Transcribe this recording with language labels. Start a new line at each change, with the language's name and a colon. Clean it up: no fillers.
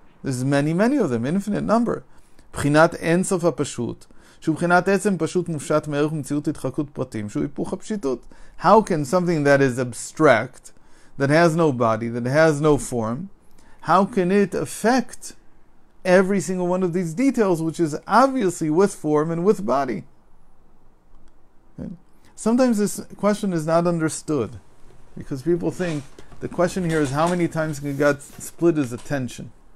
English: There's many, many of them, infinite number.
Hebrew: בחינת אינסוף הפשוט, שהוא בחינת עצם פשוט מופשט מערך מציאות התחלקות פרטים, שהוא היפוך הפשיטות.
English: How can something that is abstract, that has no body, that has no form, how can it affect every single one of these details, which is obviously with form and with body? Sometimes this question is not understood, because people think, the question here is how many times can God split his attention?